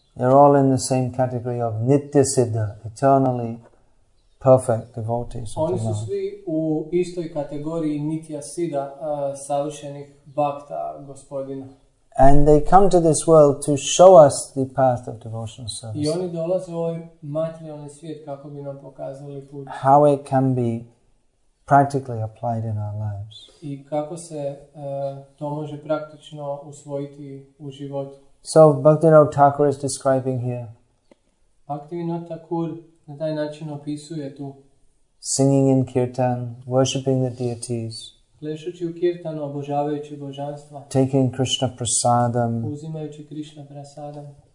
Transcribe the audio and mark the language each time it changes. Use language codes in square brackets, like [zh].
[en] They're all in the same category of nitya siddha, eternally perfect devotees. [hr] Oni su svi u istoj kategoriji nitya siddha, savršenih bhakta gospodina. [en] And they come to this world to show us the path of devotional service. [hr] I oni dolaze u ovaj materijalni svijet kako bi nam pokazali put. [en] How it can be practically applied in our lives. [hr] I kako se to može praktično usvojiti u život. [en] So Bhaktivinoda Thakur is describing here. [hr] Bhaktivinoda Thakur na taj način opisuje tu. [en] Singing in kirtan, worshipping the deities. [hr] Plešući u kirtanu, obožavajući božanstva. [en] Taking Krishna prasadam. [hr] Uzimajući Krishna prasadam.